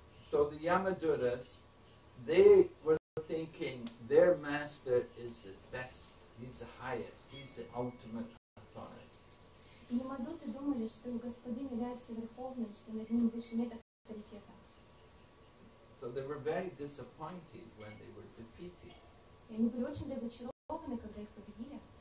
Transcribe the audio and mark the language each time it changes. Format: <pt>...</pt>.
<en>So the Yamaduras, they were thinking their master is the best, he's the highest, he's the ultimate authority.</en> <ru>Yamaduty думали, что господин является верховным, что над ним больше нет авторитета.</ru> <en>So they were very disappointed when they were defeated.</en> <ru>И они были очень разочарованы, когда их победили.</ru>